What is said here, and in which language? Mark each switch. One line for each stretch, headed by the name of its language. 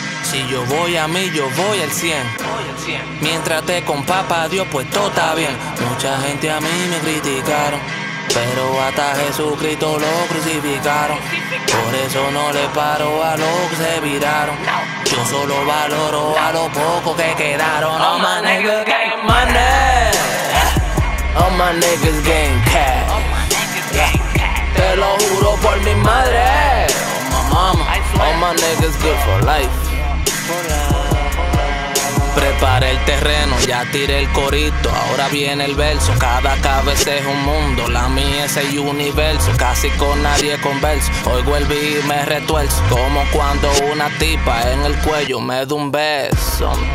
Spanish: Si yo voy a mí, yo voy al 100. Mientras te con papá Dios, pues todo está bien. Mucha gente a mí me criticaron, pero hasta Jesucristo lo crucificaron. Por eso no le paro a los que se viraron. Yo solo valoro a los pocos que quedaron.
English: All my niggas gang money. All my niggas gang cash.
Spanish: Te lo juro por mi madre.
English: Oh my mama. All my niggas good for life.
Spanish: Preparé el terreno, ya tiré el corito. Ahora viene el verso. Cada cabeza es un mundo. La mía es el universo. Casi con nadie converso. Oigo el beat y me retuerzo. Como cuando una tipa en el cuello me da un beso.